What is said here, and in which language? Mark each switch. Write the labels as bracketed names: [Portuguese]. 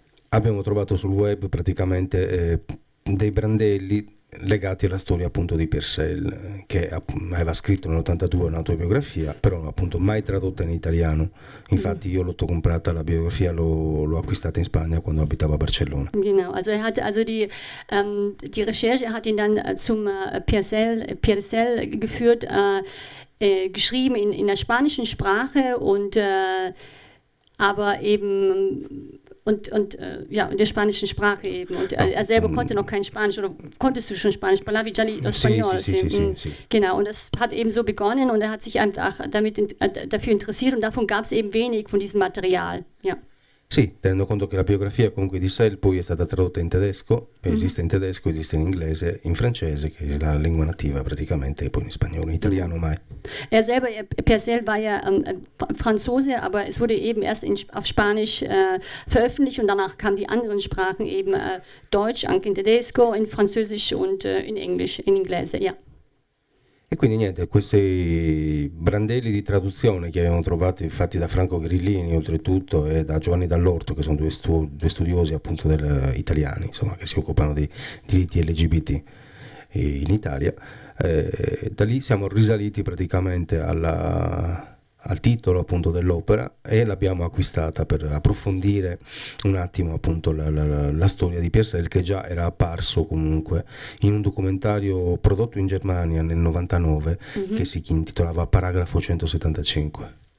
[Italian] Abbiamo trovato sul web praticamente dei brandelli legati alla storia appunto di Purcell, che aveva scritto nell'82 un'autobiografia, però appunto mai tradotta in italiano. Infatti io l'ho comprata la biografia, l'ho acquistata in Spagna quando abitavo a Barcellona. [German] Genau, also er hat also die Recherche hat ihn dann zum Pierre Sel geführt, geschrieben in der spanischen Sprache und aber eben ja, in der spanischen Sprache eben. Und er selber konnte noch kein Spanisch oder konntest du schon Spanisch? [Italian] Sì, sì, [Spanish] Español, [Italian] sì, sì, sì. [German] genau. Und das hat eben so begonnen und er hat sich einfach dafür interessiert und davon gab es eben wenig von diesem Material. Ja. [Italian] Sì, tenendo conto che la biografia comunque di Sel poi è stata tradotta in tedesco, esiste in tedesco, esiste in inglese, in francese, che è la lingua nativa praticamente, e poi in spagnolo, in italiano mai. [German] Er selber, Purcell, war ja Franzose, aber es wurde eben erst auf Spanisch veröffentlicht und danach kamen die anderen Sprachen eben Deutsch, [Italian] anche in Tedesco, [German] in Französisch und in Englisch, [Italian] in Inglese, [German] ja. [Italian] E quindi niente, questi brandelli di traduzione che abbiamo trovato fatti da Franco Grillini oltretutto e da Giovanni Dall'Orto, che sono due studiosi appunto italiani, insomma, che si occupano dei diritti LGBT in Italia, da lì siamo risaliti praticamente al titolo appunto dell'opera e l'abbiamo acquistata per approfondire un attimo appunto la storia di Purcell, che già era apparso comunque in un documentario prodotto in Germania nel 99 che si intitolava Paragrafo 175.